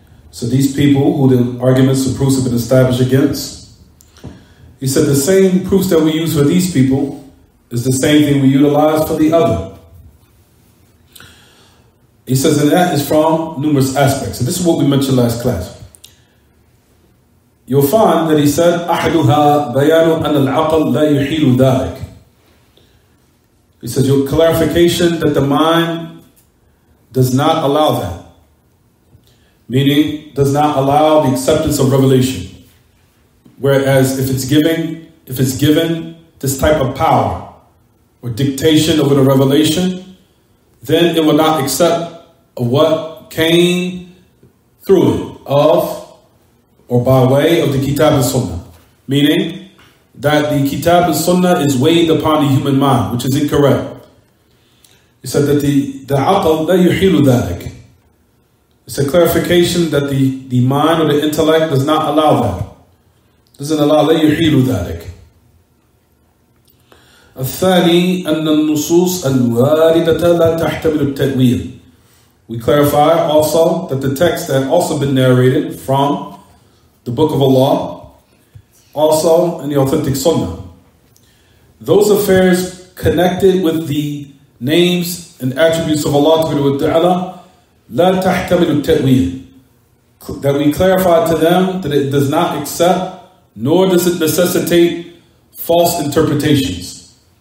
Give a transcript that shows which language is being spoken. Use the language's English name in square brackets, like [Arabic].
[English] So these people who the arguments and proofs have been established against, he said, the same proofs that we use for these people is the same thing we utilize for the other. He says, and that is from numerous aspects. And this is what we mentioned last class. You'll find that he said, [Arabic] أَحَدُهَا بَيَانُ أَنَ الْعَقَلْ لَا يُحِيلُ ذَلِكَ. [English] He says, your clarification that the mind does not allow that, meaning does not allow the acceptance of revelation. Whereas if it's given this type of power or dictation over the revelation, then it will not accept of what came through it of or by way of the Kitab and Sunnah, meaning that the Kitab and Sunnah is weighed upon the human mind, which is incorrect. He said that the aql [Arabic] la yuhilu dhalik. [English] It's a clarification that the mind or the intellect does not allow that. Doesn't allow [Arabic] la yuhilu dhalik. الثاني أن النصوص الواردة لا تحتمل التأويل. [English] We clarify also that the text that also been narrated from the Book of Allah, also in the authentic Sunnah, those affairs connected with the names and attributes of Allah Subhanahu wa Ta'ala, [Arabic] la tahtamilu ta'wil, [English] that we clarify to them that it does not accept, nor does it necessitate false interpretations